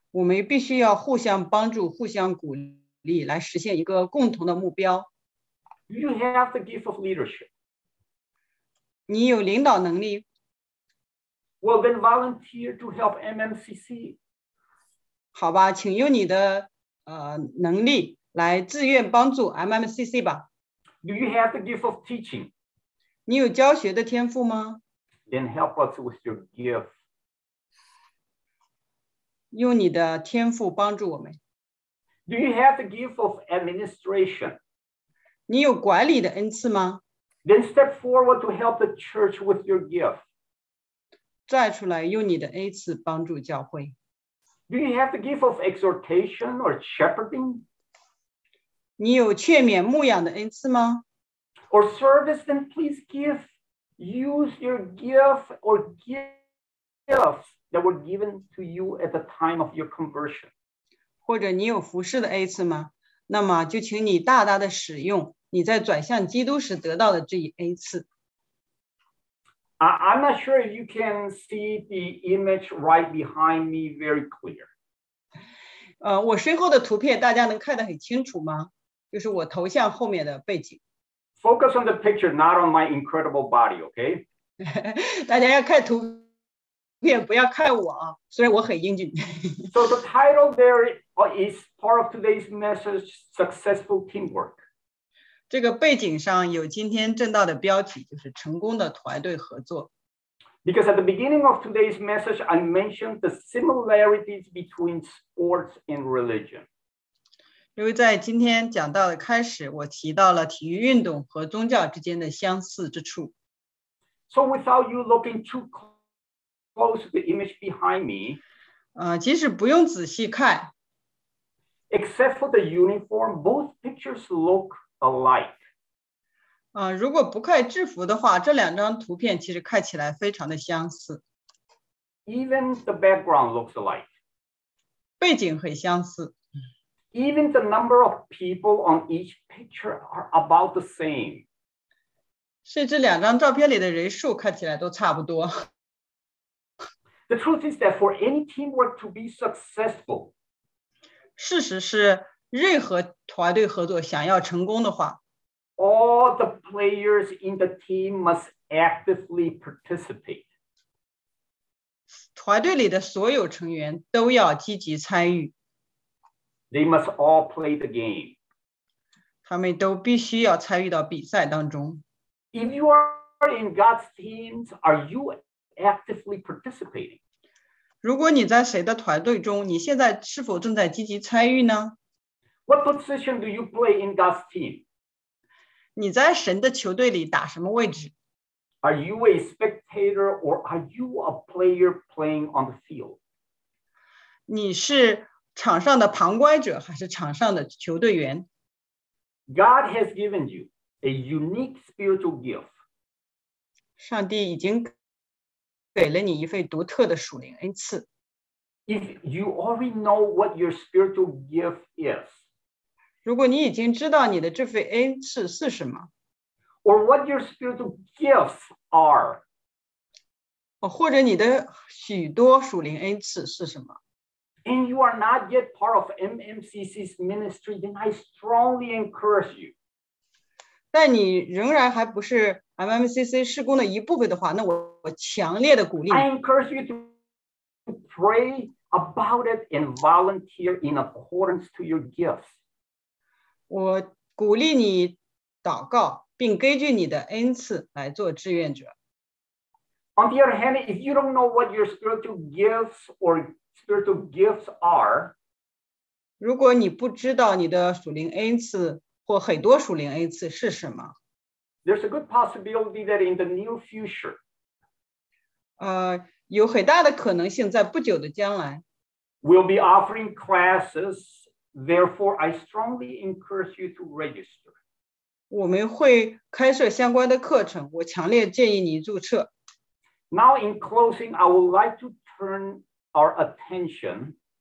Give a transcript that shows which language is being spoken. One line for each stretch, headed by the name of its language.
Chinese: 我们必须要互相帮助，互相鼓励，来实现一个共同的目标。
English: You have the gift of leadership.
Chinese: 你有领导能力。
English: Well, then volunteer to help MMCC.
Chinese: 好吧，请用你的能力来自愿帮助 MMCC 吧。
English: Do you have the gift of teaching?
Chinese: 你有教学的天赋吗？
English: Then help us with your gift.
Chinese: 用你的天赋帮助我们。
English: Do you have the gift of administration?
Chinese: 你有管理的恩赐吗？
English: Then step forward to help the church with your gift.
Chinese: 站出来用你的恩赐帮助教会。
English: Do you have the gift of exhortation or shepherding?
Chinese: 你有劝勉牧养的恩赐吗？
English: Or service, then please use your gift or gifts that were given to you at the time of your conversion.
Chinese: 或者你有服侍的恩赐吗？那么就请你大大的使用你在转向基督时得到的这一恩赐。
English: I'm not sure if you can see the image right behind me very clear.
Chinese: 我身后的图片大家能看得很清楚吗？就是我头像后面的背景。
English: Focus on the picture, not on my incredible body, okay?
Chinese: 大家要看图片，不要看我啊，虽然我很英俊。
English: So the title there is part of today's message, Successful Teamwork.
Chinese: 这个背景上有今天正道的标题，就是成功的团队合作。
English: Because at the beginning of today's message, I mentioned the similarities between sports and religion.
Chinese: 因为在今天讲到的开始，我提到了体育运动和宗教之间的相似之处。
English: So without you looking too close to the image behind me,
Chinese: 即使不用仔细看
English: Except for the uniform, both pictures look alike.
Chinese: 如果不看制服的话，这两张图片其实看起来非常的相似。
English: Even the background looks alike.
Chinese: 背景很相似。
English: Even the number of people on each picture are about the same.
Chinese: 甚至两张照片里的人数看起来都差不多。
English: The truth is that for any teamwork to be successful,
Chinese: 事实是任何团队合作想要成功的话，
English: all the players in the team must actively participate.
Chinese: 团队里的所有成员都要积极参与。
English: They must all play the game.
Chinese: 他们都必须要参与到比赛当中。
English: If you are in God's teams, are you actively participating?
Chinese: 如果你在谁的团队中，你现在是否正在积极参与呢？
English: What position do you play in God's team?
Chinese: 你在神的球队里打什么位置？
English: Are you a spectator or are you a player playing on the field?
Chinese: 你是场上的旁观者还是场上的球队员？
English: God has given you a unique spiritual gift.
Chinese: 上帝已经给了你一份独特的属灵恩赐。
English: If you already know what your spiritual gift is,
Chinese: 如果你已经知道你的这份恩赐是什么，
English: or what your spiritual gifts are,
Chinese: 或者你的许多属灵恩赐是什么，
English: and you are not yet part of MMCC's ministry, then I strongly encourage you.
Chinese: 但你仍然还不是MMCC 事工的一部分的话，那我强烈的鼓励。
English: I encourage you to pray about it and volunteer in accordance to your gifts.
Chinese: 我鼓励你祷告，并根据你的恩赐来做志愿者。
English: On the other hand, if you don't know what your spiritual gifts or spiritual gifts are,
Chinese: 如果你不知道你的属灵恩赐或很多属灵恩赐是什么。
English: There's a good possibility that in the near future,
Chinese: 有很大的可能性在不久的将来，
English: we'll be offering classes. Therefore, I strongly encourage you to register.
Chinese: 我们会开设相关的课程，我强烈建议你注册。
English: Now, in closing, I would like to turn our attention.